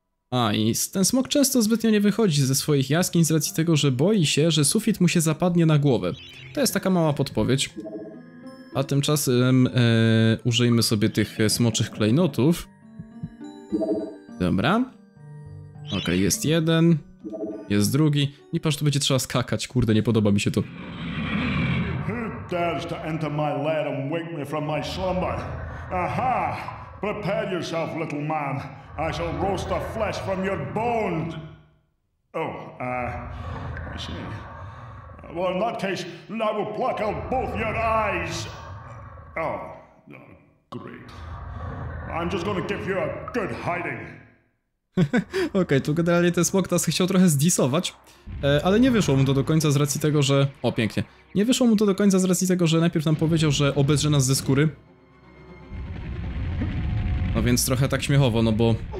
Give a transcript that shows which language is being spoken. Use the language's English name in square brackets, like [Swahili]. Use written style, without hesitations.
[Polish] A, i ten smok często zbytnio nie wychodzi ze swoich jaskiń z racji tego, że boi się, że sufit mu się zapadnie na głowę. To jest taka mała podpowiedź. A tymczasem użyjmy sobie tych smoczych klejnotów. Dobra. Okej, jest jeden. Jest drugi. I patrz, tu będzie trzeba skakać. Kurde, nie podoba mi się to. [English] Who dares to enter my lair and wake me from my slumber? Aha! Prepare yourself, little man. I shall roast the flesh from your bones. Oh, I see. Well, in that case, I will pluck out both your eyes. Oh, great. I'm just gonna give you a good hiding. [Polish] Okej, tu generalnie ten smok nas chciał trochę zdisować, ale nie wyszło mu to do końca z racji tego, że... O, pięknie. Nie wyszło mu to do końca z racji tego, że najpierw nam powiedział, że obedrze nas ze skóry. No więc trochę tak śmiechowo, no bo...